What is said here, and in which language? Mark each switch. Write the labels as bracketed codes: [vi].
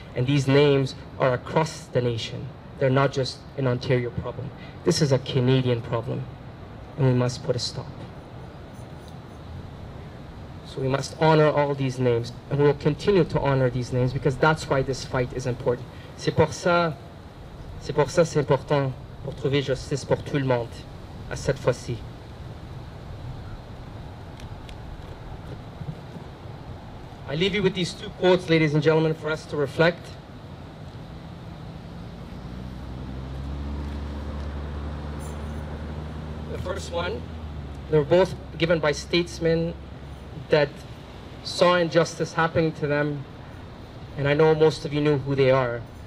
[en] And these names are across the nation. They're not just an Ontario problem. This is a Canadian problem, and we must put a stop. So we must honor all these names, and we will continue to honor these names, because that's why this fight is important. [fr] C'est pour ça c'est important pour trouver justice pour tout le monde à cette fois-ci. [en] I leave you with these two quotes, ladies and gentlemen, for us to reflect. The first one, they were both given by statesmen that saw injustice happening to them, and I know most of you knew who they are.